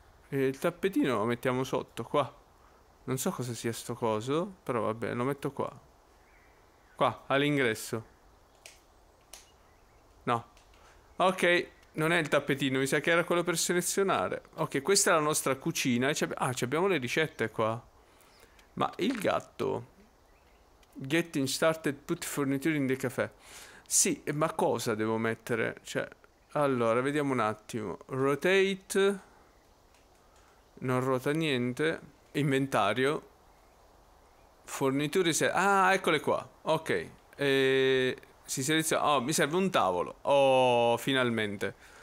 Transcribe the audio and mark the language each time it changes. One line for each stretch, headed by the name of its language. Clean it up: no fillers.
Italian: Il tappetino lo mettiamo sotto, qua. Non so cosa sia sto coso, però vabbè, lo metto qua. Qua, all'ingresso. No. Ok, non è il tappetino, mi sa che era quello per selezionare. Ok, questa è la nostra cucina. Ah, ci abbiamo le ricette qua. Ma il gatto.
English: Getting started, put furniture in the cafe.
Italian: Sì, ma cosa devo mettere? Cioè, allora, vediamo un attimo. Rotate. Non ruota niente. Inventario. Forniture. Ah, eccole qua. Ok. Si seleziona. Oh, mi serve un tavolo. Oh, finalmente.